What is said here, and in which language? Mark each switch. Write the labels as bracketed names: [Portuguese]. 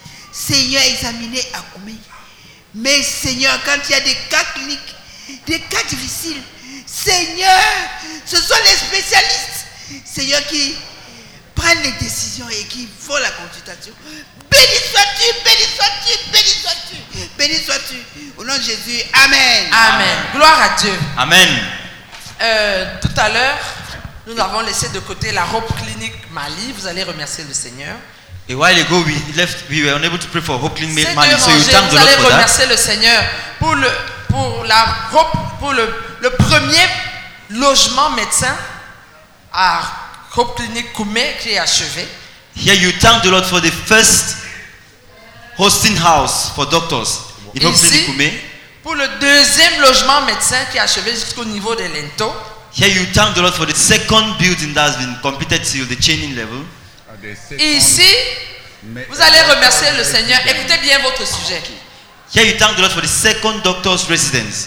[French] Seigneur, examinez à Koumé. Mais Seigneur, quand il y a des cas cliniques, des cas difficiles, Seigneur, ce sont les spécialistes, Seigneur, qui prennent les décisions et qui font la consultation. Béni sois-tu, béni sois-tu, béni sois-tu, béni sois-tu. Au nom de Jésus, amen. Amen. Gloire à Dieu. Amen. Tout à l'heure, nous avons laissé de côté la Hope Clinic Mali. Vous allez remercier le Seigneur. [English] A while ago, we left. We were unable to pray for Hope Clinic Mali. So you thank the Lord for that. [French] Vous allez remercier le Seigneur pour le pour la Hope pour le premier logement médecin à Hope Clinic Koumé qui est achevé. [English] Here you thank the Lord for the first hosting house for doctors in Hope Clinic Koumé. [French] Pour le deuxième logement médecin qui est achevé jusqu'au niveau de l'Ento. [English] Here you thank the Lord for the second building that has been completed to the chaining level. [French] Ici, vous allez remercier le Seigneur. Écoutez bien votre sujet. [English] Here you thank the Lord for the second doctor's residence.